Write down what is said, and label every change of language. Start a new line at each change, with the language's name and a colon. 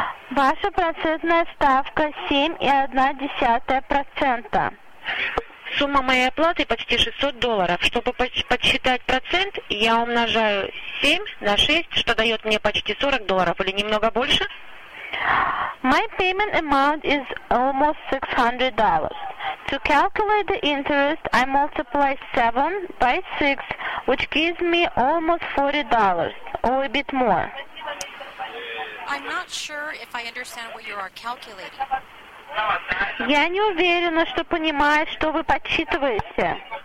Russian: Ваша процентная ставка 7.1%. Сумма моей оплаты почти $600. Чтобы подсчитать процент, я умножаю 7 на 6, что дает мне почти $40 или немного больше.
English: My payment amount is almost $600. To calculate the interest, I multiply 7 by 6, which gives me almost $40, or a bit more. I'm not sure if I understand what you are calculating.
Russian: Я не уверена, что понимаю, что вы подсчитываете.